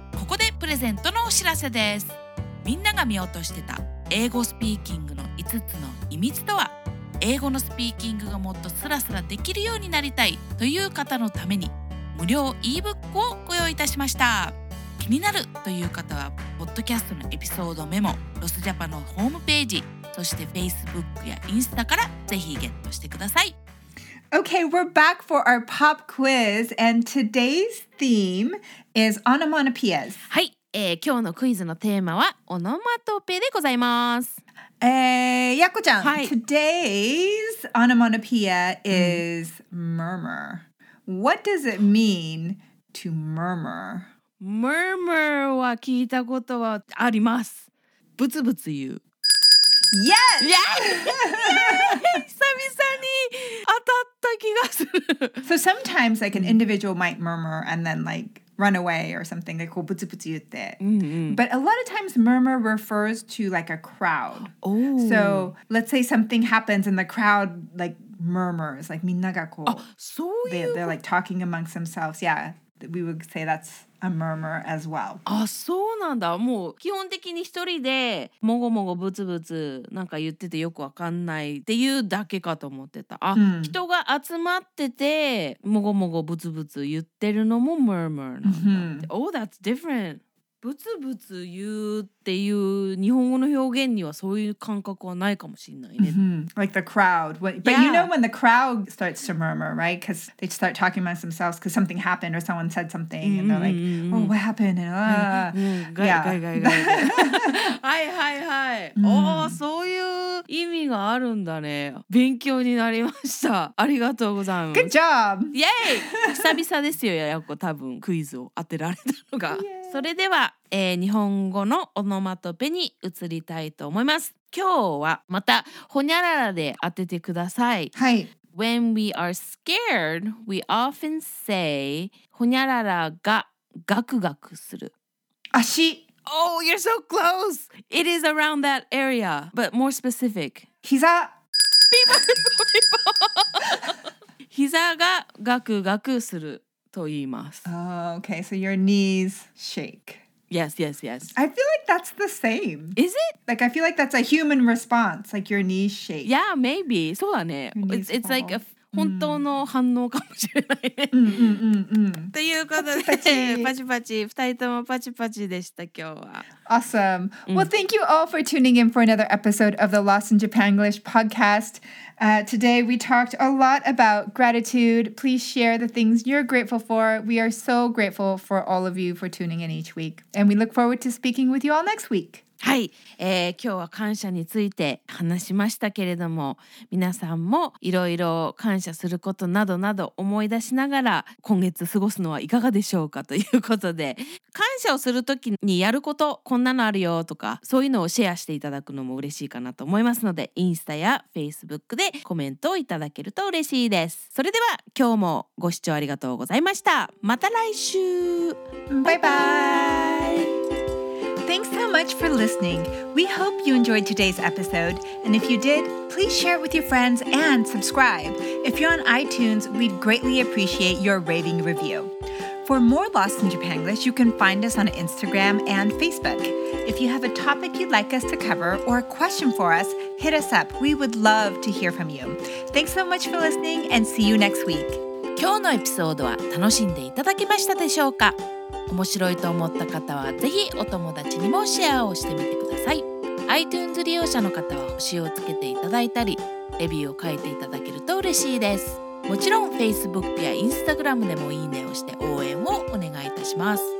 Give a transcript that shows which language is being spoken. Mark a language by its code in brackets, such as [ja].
[ja] ここでプレゼントのお知らせです。みんなが見落としてた英語スピーキングの5つの秘密とは、英語のスピーキングがもっとスラスラできるようになりたいという方のために無料 e-book をご用意いたしました。気になるという方はポッドキャストのエピソードメモ、ロスジャパのホームページ、そして Facebook やインスタからぜひゲットしてください。 [en] Okay, we're back for our pop quiz and today's theme is onomatopoeias. [ja] はい、今日のクイズのテーマはオノマトペでございます。やっこちゃん、はい、 [en] Today's onomatopoeia is murmur. What does it mean to murmur? [ja] Murmur は聞いたことはあります。ブツブツ言う。 [en] Yes! Yes! [ja] 久々に当たった気がする。 [en] So sometimes like an individual might murmur and then like run away or something, like, [ja] ブツブツ言って。 [en] But a lot of times, murmur refers to, like, a crowd. Oh. So, let's say something happens and the crowd, like, murmurs. [ja] Like, みんながこう、そういう、 [en] they're, like, talking amongst themselves. Yeah, we would say that's a murmur as well. [ja] あ、そうなんだ。もう、基本的に一人で、もごもごブツブツなんか言っててよくわかんないっていうだけかと思ってた。あ、人が集まってて、もごもごブツブツ言ってるのも murmur なんだって。 [en] Oh, that's different. [ja] ブツブツ言うっていう日本語の表現にはそういう感覚はないかもしれないね。 [en] Like the crowd. But you know when the crowd starts to murmur, right? Because they start talking amongst themselves because something happened or someone said something. And they're like, oh, what happened? And, [ja] はいはいはい。おー、そういう意味があるんだね。勉強になりました。ありがとうございます。 [en] Good job! [ja] イエーイ！久々ですよ、ややこ。多分クイズを当てられたのが。それでは、日本語のオノマトペに移りたいと思います。今日はまたほにゃららで当ててください。はい。 [en] When we are scared, we often say [ja] ほにゃららがガクガクする。足。 [en] Oh, you're so close. It is around that area, but more specific. [ja] 膝。ピポピポピポ。膝がガクガクすると言います。 [en] Oh, okay, so your knees shake. Yes, yes, yes. I feel like that's the same. Is it? Like, I feel like that's a human response, like your knees shake. Yeah, maybe. [ja] そうだね。 [en] It's like a [ja] 本当の反応かもしれないね。ということで、パチパチ、二人ともパチパチでした、今日は。 [en] Awesome. Well, thank you all for tuning in for another episode of the Lost in Japanglish podcast. Today, we talked a lot about gratitude. Please share the things you're grateful for. We are so grateful for all of you for tuning in each week. And we look forward to speaking with you all next week. [ja] はい、今日は感謝について話しましたけれども、皆さんもいろいろ感謝することなどなど思い出しながら今月過ごすのはいかがでしょうかということで、感謝をするときにやること、こんなのあるよとか、そういうのをシェアしていただくのも嬉しいかなと思いますので、インスタやフェイスブックでコメントをいただけると嬉しいです。それでは今日もご視聴ありがとうございました。また来週、バイバイ。 [en] Thanks so much for listening. We hope you enjoyed today's episode. And if you did, please share with your friends and subscribe. If you're on iTunes, we'd greatly appreciate your raving review. For more Lost in Japanglish, you can find us on Instagram and Facebook. If you have a topic you'd like us to cover or a question for us, hit us up. We would love to hear from you. Thanks so much for listening and see you next week. [ja] 今日のエピソードは楽しんでいただけましたでしょうか？面白いと思った方はぜひお友達にもシェアをしてみてください。 iTunes 利用者の方は星をつけていただいたり、レビューを書いていただけると嬉しいです。もちろん Facebook や Instagram でもいいねをして応援をお願いいたします。